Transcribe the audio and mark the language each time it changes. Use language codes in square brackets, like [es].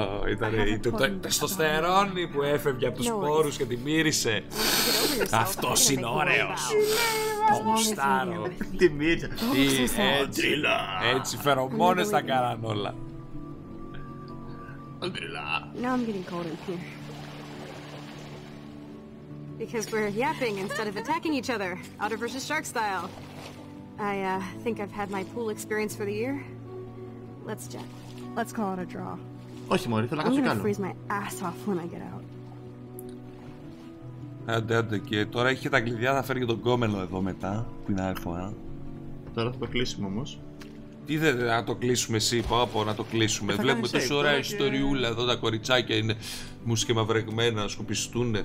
[el] Ήτανε το τεστοστερόνι που έφευγε από τους πόρους και τη μύρισε. Αυτός είναι ωραίος. Το γουστάρω. Τη μύρισε. Έτσι φερομόνες τα κάναν όλα. Αντριλά. [en] Now I'm getting cold in here. Because we're yapping instead of attacking each other. Otter versus shark style. I think I've had my pool experience for the year. Let's jet. Let's call it a draw. [el] Όχι μωρί, θέλω να κάτσω κάτω. [en] I'm gonna freeze my ass off when I get out. [el] Άντε, άντε, και τώρα είχε τα κλειδιά, θα φέρει και τον κόμενο εδώ μετά, που είναι άλλη φορά. Τώρα θα το κλείσουμε όμως. Τι δεν θα το κλείσουμε εσύ, πάω από να το κλείσουμε. Βλέπουμε τόσο ωραία ιστοριούλα εδώ, τα κοριτσάκια είναι μουσκεμαυρεγμένα, σκουπιστούν.